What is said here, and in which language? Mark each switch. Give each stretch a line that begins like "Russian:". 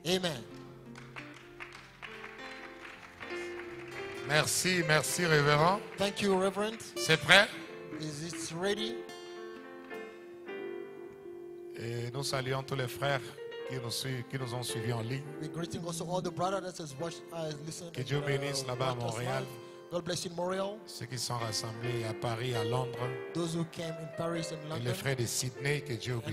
French: Amen. Merci, merci, révérend.
English: Thank you, Reverend.
French: C'est prêt?
English: Is it ready?
French: Et nous saluons tous les frères qui nous ont suivis en ligne.
English: We greeting also all the brothers that has watched, has listened.
French: Que Dieu bénisse là-bas à Montréal.
English: God bless in Montreal.
French: Ceux qui sont rassemblés à Paris, à Londres.
English: Those who came in Paris and London.
French: Et les frères de Sydney, que Dieu bénisse.